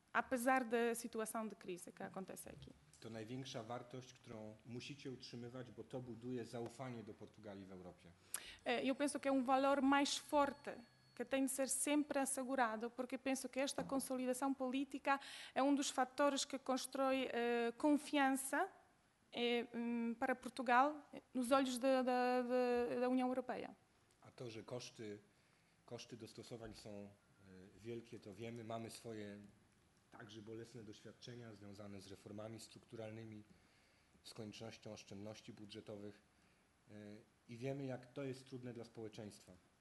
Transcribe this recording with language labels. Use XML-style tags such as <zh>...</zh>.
<pt>Apesar da situação de crise que acontece aqui.</pt> <pl>To największa wartość, którą musicie utrzymywać, bo to buduje zaufanie do Portugalii w Europie.</pl> <pt>Eu penso que é valor mais forte que tem de ser sempre assegurado, porque penso que esta consolidação política é dos fatores que constrói confiança para Portugal nos olhos da União Europeia.</pt> <pl>A to, że koszty dostosowań są wielkie, to wiemy, mamy swoje także bolesne doświadczenia związane z reformami strukturalnymi, z koniecznością oszczędności budżetowych i wiemy, jak to jest trudne dla społeczeństwa.</pl>